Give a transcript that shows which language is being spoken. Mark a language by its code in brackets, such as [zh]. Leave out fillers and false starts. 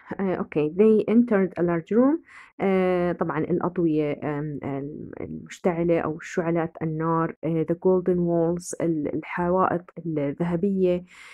[en] Okay, they entered a large room. [ar] طبعا الأضوية المشتعلة أو شعلات النار. [en] The golden walls, الحوائط الذهبية.